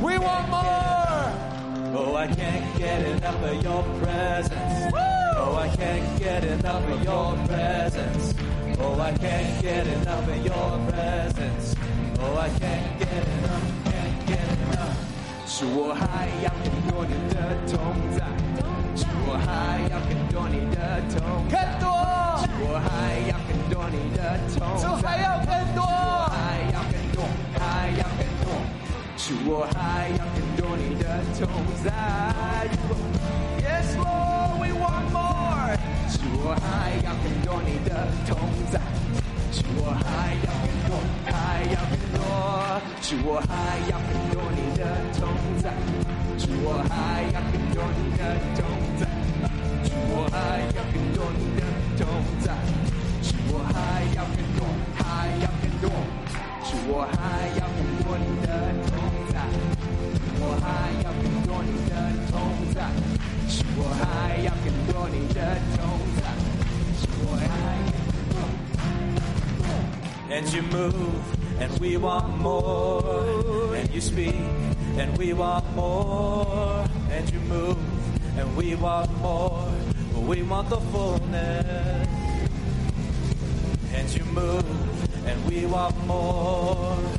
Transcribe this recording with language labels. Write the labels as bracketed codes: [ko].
[en] We want more. Oh, I can't get enough of your presence. Woo! Oh, I can't get enough of your presence. Oh, I can't get enough of your presence. Oh, I can't get enough, can't get enough. [zh] 是我还要更多你的同在，是我还要更多你的同在，更多，是我还要更多你的同在，主还要更多，还要更多，还要更多，是我还要更多你的同在。 [en] Yes, Lord, we want more. [zh] 是我还要更多你的同在，是我还要更多，还要更多，是我还要更多你的同在，是我还要更多你的同在。我还要更多你的同在，是我还要更多，还要更多，是我还要更多你的同在，我还要更多你的同在，是我还要更多你的同在，是我还要更多。 [en] And you move and we want more, and you speak and we want more, and you move and we want more. We want the fullness. And you move, and we want more.